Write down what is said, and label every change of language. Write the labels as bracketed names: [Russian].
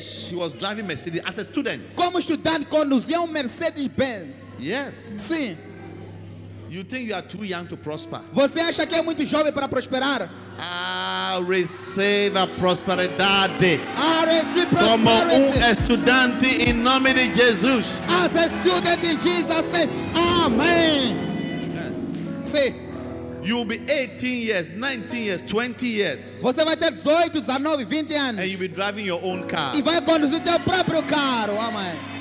[English] He was driving Mercedes as a student. [Portuguese] Como estudante conduzia Mercedes Benz. [English] Yes. [Portuguese] Sim. [English] You think you are too young to prosper? [Portuguese] Você acha que é muito jovem para prosperar? [English] Receive a [Portuguese] prosperidade. [English] A receive prosperity. [Portuguese] Como estudante em nome de Jesus. [English] As a student in Jesus name. Amen. You will be 18 years, 19 years, 20 years. [Portuguese] Você vai ter 18, 19, 20 anos. [English] And you'll be driving your own car. [Portuguese] E vai conduzir teu próprio carro, amém.